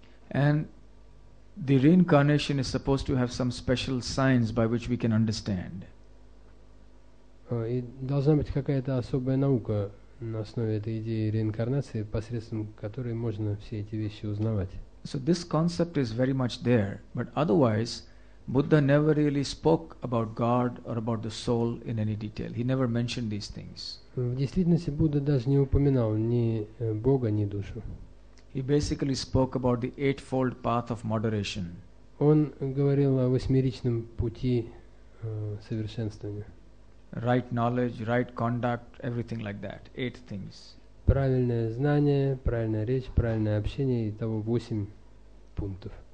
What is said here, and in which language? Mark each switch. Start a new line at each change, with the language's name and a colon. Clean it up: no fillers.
English: And the reincarnation is supposed to have some special signs by which we can understand.
Russian: И должна быть какая-то особая наука на основе этой идеи реинкарнации, посредством которой можно все эти вещи узнавать.
English: So this concept is very much there, but otherwise Buddha never really spoke about God or about the soul in any detail. He never mentioned these things.
Russian: В действительности Будда даже не упоминал ни Бога, ни душу.
English: He basically spoke about the eightfold path of moderation.
Russian: Он говорил о восьмеричном пути совершенствования.
English: Right knowledge, right conduct, everything like that. Eight things.
Russian: Правильное знание, правильная речь, правильное общение и того восемь пунктов.